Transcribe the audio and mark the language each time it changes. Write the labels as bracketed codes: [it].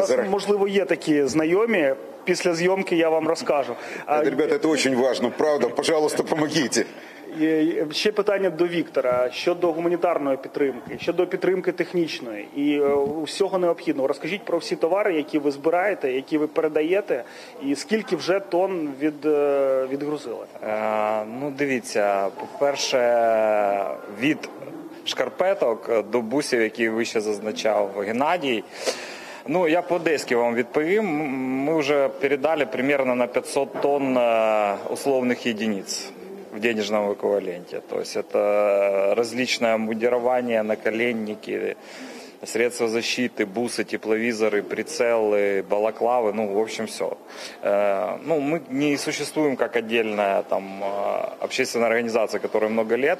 [ru] Возможно, есть такие знакомые. После съемки я вам расскажу. Ребята, это очень важно, правда. Пожалуйста, помогите. [uk] Ще питання до Віктора щодо гуманітарної підтримки, щодо підтримки технічної і усього необхідного. Розкажіть про всі товари, які ви збираєте, які ви передаєте, і скільки вже тонн відгрузили? Ну, дивіться, по-перше, від шкарпеток до бусів, які вище зазначав Геннадій. Ну, я по-одеськи вам відповім. Ми вже передали примерно на 500 тонн условних єдиниць. [ru] В денежном эквиваленте. То есть это различное мундирование, наколенники, средства защиты, бусы, тепловизоры, прицелы, балаклавы. Ну, в общем, все. Ну, мы не существуем как отдельная там общественная организация, которая много лет.